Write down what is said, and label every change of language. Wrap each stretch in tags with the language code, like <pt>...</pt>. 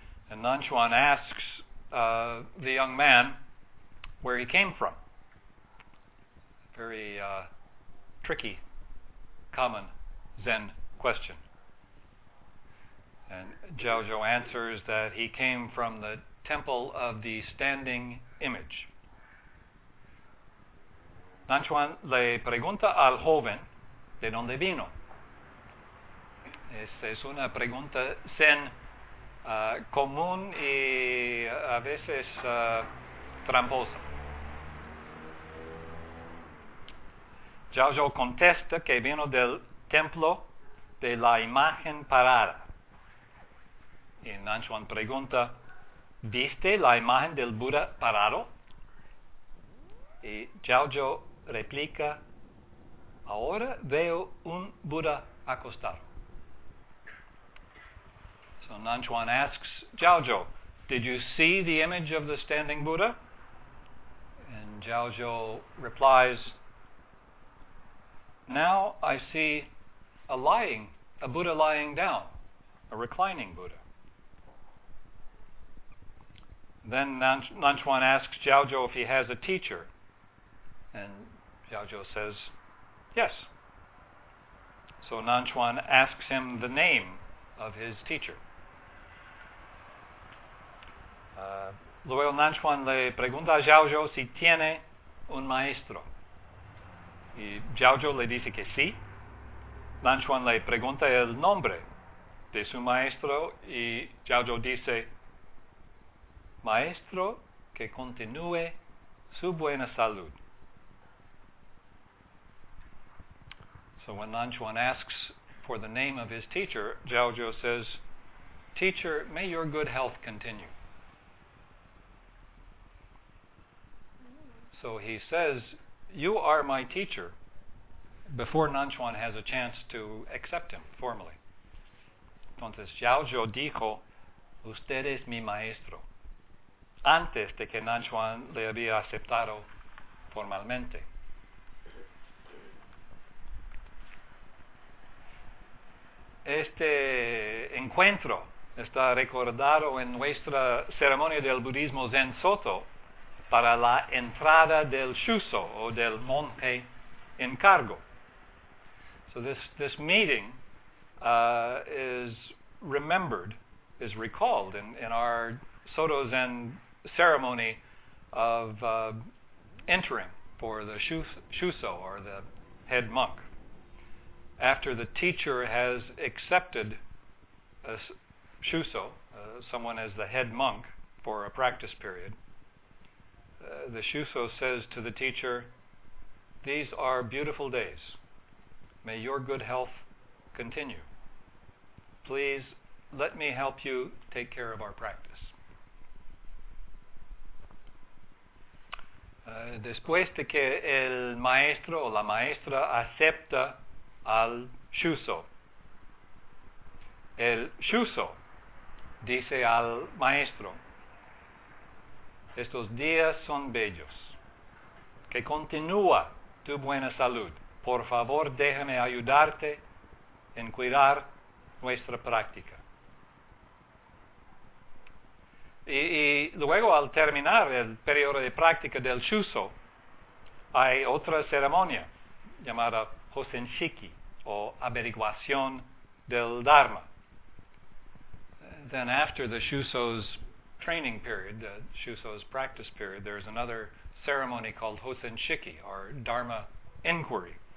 <en>And Nanchuan asks the young man where he came from. Very tricky, common Zen question. And Zhao Zhou answers that he came from the temple of the standing image.</en> <es>Nanchuan le pregunta al joven de dónde vino. Esa es una pregunta Zen común y a veces tramposa. Zhao Zhou contesta que vino del templo de la imagen parada. Y Nanchuan pregunta, ¿viste la imagen del Buda parado? Y Zhao Zhou replica, ahora veo un Buda acostado.</es> <en>So Nanchuan asks, Zhao Zhou, did you see the image of the standing Buddha? And Zhao Zhou replies, now I see a Buddha lying down, a reclining Buddha. Then Nanchuan asks Zhao Zhou if he has a teacher. And Zhao Zhou says, yes. So Nanchuan asks him the name of his teacher.</en> <es>Luego Nanchuan le pregunta a Zhao Zhou si tiene un maestro. Y Zhao Zhou le dice que sí. Nanchuan le pregunta el nombre de su maestro y Zhao Zhou dice, maestro que continúe su buena salud.</es> <en>So when Nanchuan asks for the name of his teacher, Zhao Zhou says, teacher, may your good health continue. So he says, you are my teacher, before Nanchuan has a chance to accept him formally.</en> <es>Entonces Zhao Zhou dijo, usted es mi maestro, antes de que Nanchuan le había aceptado formalmente. Este encuentro está recordado en nuestra ceremonia del budismo Zen Soto para la entrada del Shuso, o del monje en cargo.</es> <en>So this meeting is recalled in our Soto Zen ceremony of entering for the Shuso, or the head monk. After the teacher has accepted a Shuso, someone as the head monk for a practice period, the Shuso says to the teacher, these are beautiful days. May your good health continue. Please let me help you take care of our practice.</en> <es>después de que el maestro o la maestra acepta al shuso. El shuso dice al maestro: estos días son bellos. Que continúa tu buena salud. Por favor, déjame ayudarte en cuidar nuestra práctica. Y luego, al terminar el periodo de práctica del shuso, hay otra ceremonia llamada hosenshiki, o averiguación del dharma.</es> <en>Then after the shuso's training period, the shuso's practice period, there's another ceremony called hosenshiki, or dharma inquiry.</en>